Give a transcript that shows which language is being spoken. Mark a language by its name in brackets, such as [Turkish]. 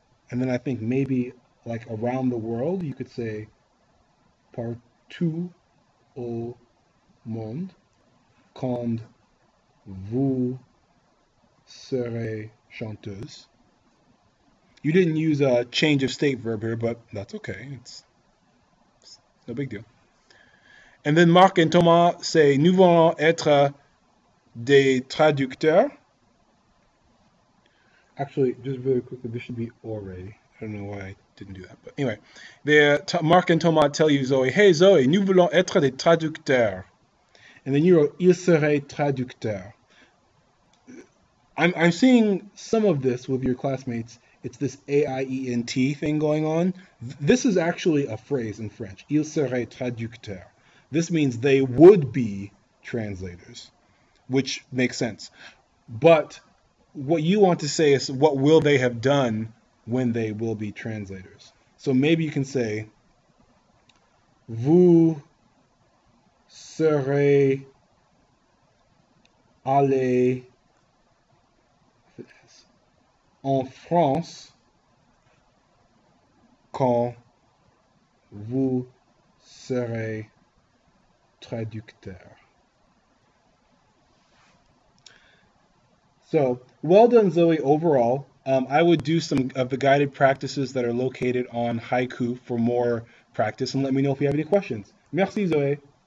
[English] And then I think maybe like around the world, you could say [French] partout au monde quand vous serez chanteuse. [English] You didn't use a change of state verb here, but that's okay. It's no big deal. And then Marc and Thomas say, [French] nous voulons être des traducteurs. [English] Actually, just very quickly, this should be already. I don't know why I didn't do that. But anyway, Marc and Thomas tell you, Zoe, hey Zoe, [French] nous voulons être des traducteurs. [English] And then you wrote, [French] il serait traducteur. [English] I'm seeing some of this with your classmates. It's this A-I-E-N-T thing going on. This is actually a phrase in French. [French] Il serait traducteur. [English] This means they would be translators, which makes sense. But what you want to say is, what will they have done when they will be translators? So maybe you can say, [French] vous serez allé en France quand vous serez traducteur. [English] So, well done, Zoe, overall. I would do some of the guided practices that are located on Haiku for more practice, and let me know if you have any questions. Merci, Zoe.